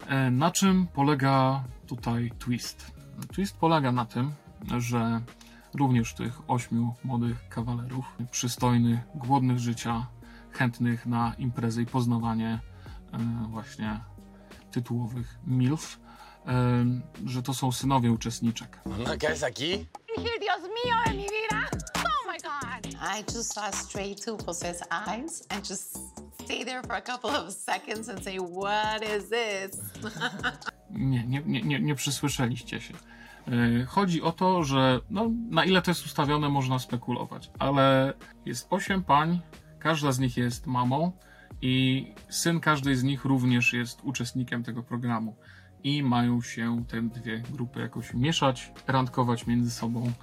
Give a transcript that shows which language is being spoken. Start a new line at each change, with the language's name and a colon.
Polish: Na czym polega tutaj twist? Twist polega na tym, że również tych 8 młodych kawalerów, przystojnych, głodnych życia, chętnych na imprezy i poznawanie właśnie tytułowych MILF, że to są synowie uczestniczek. No, kto jest taki?
Spanish: Dios mio, en mi vida!
English: Oh my god! I just saw straight two possessed eyes and just stay there for a couple of seconds and say, what is this?
Polish: Nie przysłyszeliście się. Chodzi o to, że no, na ile to jest ustawione, można spekulować, ale jest 8 pań, każda z nich jest mamą i syn każdej z nich również jest uczestnikiem tego programu. i mają się te dwie grupy jakoś mieszać, randkować między sobą.